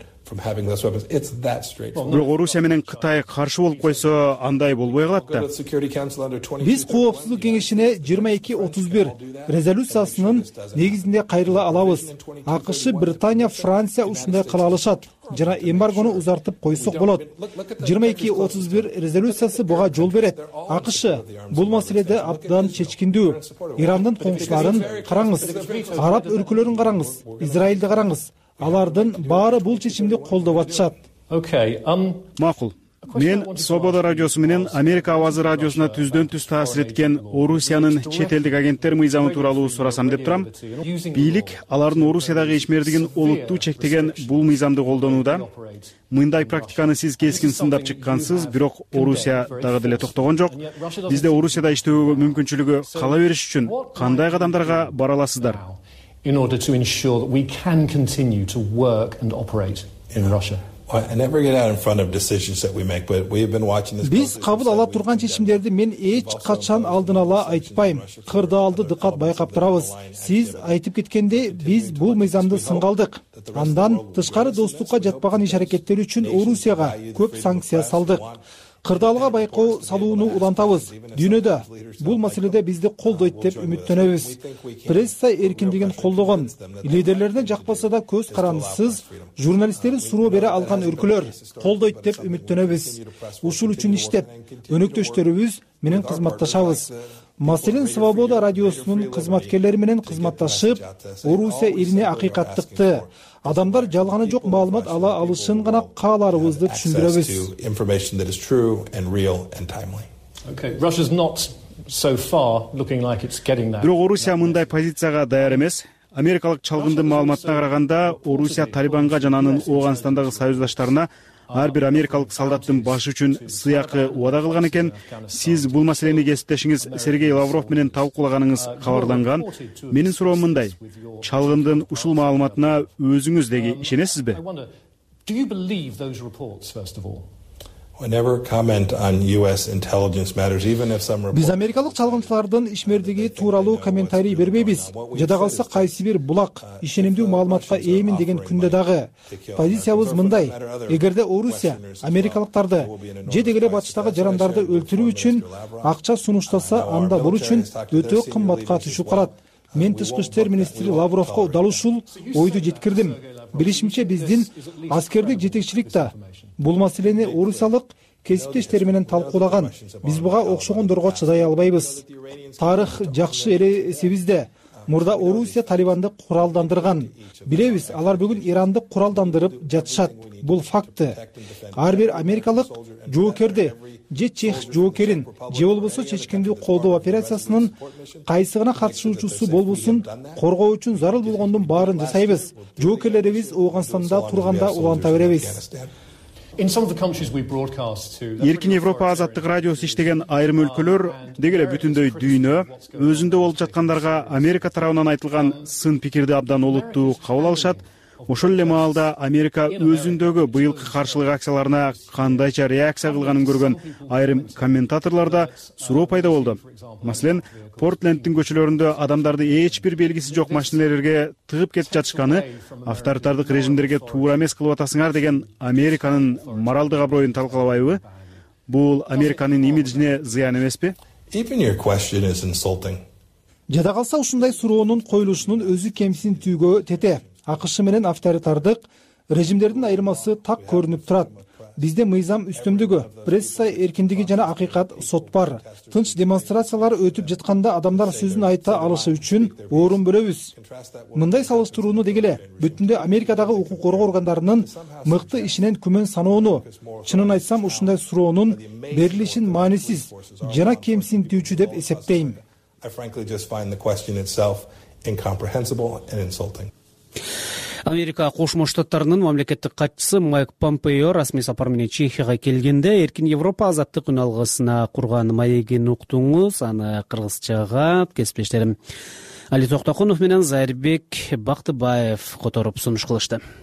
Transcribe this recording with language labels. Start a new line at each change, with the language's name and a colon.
English: from having less weapons. It's that straightforward.
Kyrgyz: Бирок Орусия менен Кытай каршы болуп койсо, андай болбой калат да. Биз коопсуздук кеңешине 22-31 резолюциясынын негизинде кайрыла алабыз. АКШ, Британия, Франция ушундай кыла алышат. Жана эмбаргону узартып койсок болот. 22-31 резолюциясы буга жол берет. АКШ бул маселеде абдан чечкиндүү. Ирандын коңшуларын караңыз, араб өлкөлөрүн караңыз, Израилди караңыз. Алардын баары бул чечимди колдоп атышат. Макул. Мен Свобода радиосу менен Америка Авазы радиосуна түздөн түз таасир эткен Орусиянын чет элдик агенттер мыйзамы тууралуу сурасам деп турам. Бийлик алардын Орусиядагы ишмердигин олуттуу чектеген бул мыйзамды колдонууда. Мындай практиканы сиз кескин сындап чыккансыз, бирок Орусия дагы деле токтогон жок. Бизде Орусияда иштөөгө мүмкүнчүлүгү кала бериш үчүн кандай кадамдарга бара аласыздар?
English: In order to ensure that we can continue to work and operate in Russia. I never get out in front of decisions that we make, but we have been watching this.
Kyrgyz: Биз кабыл ала турган чечимдерди мен эч качан алдын ала айтпайм. Кырда алды дикат байкап турабыз. Сиз айтып кеткендей, биз бул мыйзамды сынга алдык. Андан тышкары достукка жатпаган иш-аракеттер үчүн Орусияга көп санкция салдык. Кырдаалга байкоо салууну улантабыз. Дүйнөдө бул маселеде бизди колдойт деп үмүттөнөбүз. Пресса эркиндигин колдогон, лидерлерден жакпаса да көз карандысыз журналисттерин суроо бере алган өлкөлөр колдойт деп үмүттөнөбүз. Ушул үчүн иштеп, өнөктөштөрүбүз менен кызматташабыз. Маселен, Свобода радиосунун кызматкерлери менен кызматташып, Орусия элине акыйкаттыкты, адамдар жалганы жок маалымат ала алышын гана кааларыбызды түшүндүрөбүз.
English: Information that is true and real and timely. Okay, Russia's not so far looking like it's getting that.
Kyrgyz: Бирок Орусия мындай позицияга даяр эмес. Америкалык чалгындын маалыматына караганда, Орусия Талибанга жана анын Ооганстандагы союздаштарына ар бир америкалык солдаттын башы үчүн сыякы убада кылган экен. Сиз бул маселени кесиптешиңиз Сергей Лавров менен талкуулаганыңыз кабарланган. Менин суроом мындай: чалгындын ушул маалыматына өзүңүз деги ишенесизби?
English: Do you believe those reports first of all? Never comment on US intelligence matters even if some report.
Kyrgyz: Биз америкалык чалгынчылардын ишмердиги тууралуу комментарий бербейбиз. Жада калса кайсы бир булак ишенимдүү маалыматка ээмин деген күндө дагы позициябыз мындай: эгерде Орусия америкалыктарды же дегеле батыштагы жарандарды өлтүрүү үчүн акча сунуштаса, анда бул үчүн өтө кымбатка түшүп калат. Мен тышкы иштер министри Лавровко дал ушул ойду жеткирдим. Билишимче, биздин аскердик жетекчилик да бул маселени орусиялык кесиптештери менен талкуулаган. Биз буга окшогондорго чыдай албайбыз. Тарых жакшы эле эсебизде. Мурда Орусия Талибанды куралдандырган. Билебиз, алар бүгүн Иранды куралдандырып жатышат. Бул факты. Ар бир америкалык жоокерди же чех жоокерин же болбосо чечкиндүү колдоо операциясынын кайсыгына катышуучусу болбосун коргоо үчүн зарыл болгондун баарын жасайбыз. Жоокерлерибиз Ооганстанда турганда уланта беребиз.
English: In some of the countries we broadcast to,
Kyrgyz: Эркин Европа Азаттык радиосу иштеген айрым өлкөлөр, дегеле бүтүндөй дүйнө өзүндө болуп жаткандарга Америка тарабынан айтылган сын пикирди абдан олуттуу кабыл алышат. Ошол эле маалда Америка өзүндөгү быйылкы каршылык акцияларына кандайча реакция кылганын көргөн айрым комментаторлорда суроо пайда болду. Маселен, Портленддин көчөлөрүндө адамдарды эч бир белгиси жок машинелерге тыгып кетип жатышканы, авторитардык режимдерге туура эмес кылып атасыңар деген Американын моралдык аброюн талкалабайбы? Бул Американын имиджине зыян эмеспи?
English: Even your question is insulting.
Kyrgyz: Жада калса, ушундай суроонун коюлушунун өзү кемсинтүүгө тете. АКШ менен авторитардык режимдердин айырмасы так көрүнүп турат. Бизде мыйзам үстөмдүгү, пресса эркиндиги жана акыйкат сот бар. Тынч демонстрациялар өтүп жатканда адамдар сөзүн айта алышы үчүн орун бөлөбүз. Мындай салыштырууну дегеле бүтүндө Америкадагы укук коргоо органдарынын мыкты ишинен күмөн саноону, чынын айтсам, ушундай суроонун берилишин маанисиз жана кемсинтүүчү деп эсептейм.
English: I frankly just find the question itself incomprehensible and insulting.
Kyrgyz: Америка Кошмо Штаттарынын мамлекеттик катчысы Майк Помпео расмий сапар менен Чехияга келгенде Эркин Европа Азаттык үн алгысына курган маегин уктуңуз. Аны кыргызчага кесиптештерим Али Токтокунов менен Зайырбек Бактыбаев которуп сунуш кылышты.